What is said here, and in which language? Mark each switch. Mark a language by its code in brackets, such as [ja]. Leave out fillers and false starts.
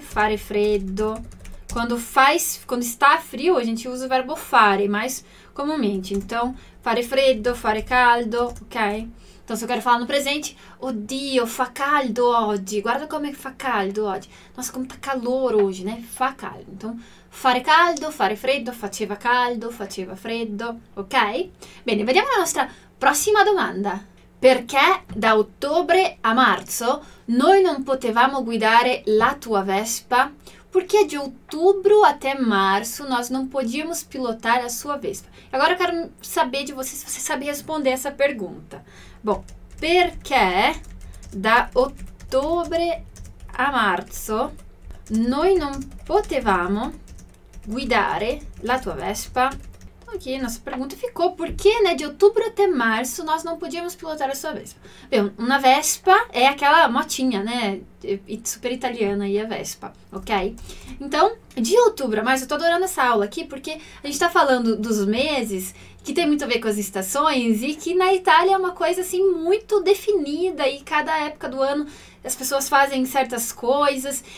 [pt] Fare freddo. Quando está frio, a gente usa o verbo fare mais comumente. Então, fare freddo, fare caldo, ok? Então, se eu quero falar no presente, [it] oddio, fa caldo oggi. [pt] Guarda como [it] fa caldo oggi. [pt] Nossa, como tá calor hoje, né? [it] Fa caldo. [pt] Então, fare caldo, fare freddo, faceva caldo, faceva freddo, ok? [it] Bene, vediamo la nostra prossima domanda. Perché da ottobre a marzo noi non potevamo guidare la tua Vespa? Perché di ottobre a marzo noi non potevamo pilotare la sua Vespa? E ora voglio sapere di voi se voi sapete rispondere a questa domanda. Bom, perché da ottobre a marzo noi non potevamo guidare la tua Vespa? [pt] Aqui, nossa pergunta ficou, por que, né, de outubro até março nós não podíamos pilotar a sua Vespa? Bem, uma Vespa é aquela motinha, né, super italiana aí, a Vespa, ok? Então, de outubro, mas eu tô adorando essa aula aqui, porque a gente tá falando dos meses, que tem muito a ver com as estações, e que na Itália é uma coisa, assim, muito definida, e cada época do ano as pessoas fazem certas coisas.